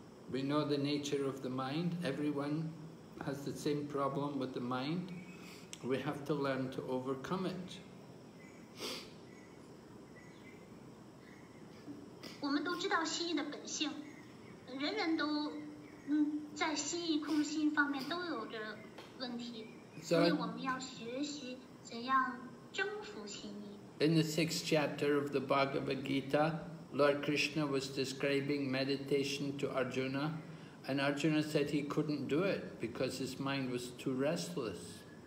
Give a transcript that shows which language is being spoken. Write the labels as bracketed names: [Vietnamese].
[English] We know the nature of the mind. Everyone has the same problem with the mind, we have to learn to overcome it. [Chinese] 我们都知道心意的本性，人人都在心意空性方面都有着问题，所以我们要学习怎样征服心意。In [English] the sixth chapter of the Bhagavad Gita, Lord Krishna was describing meditation to Arjuna, and Arjuna said he couldn't do it because his mind was too restless.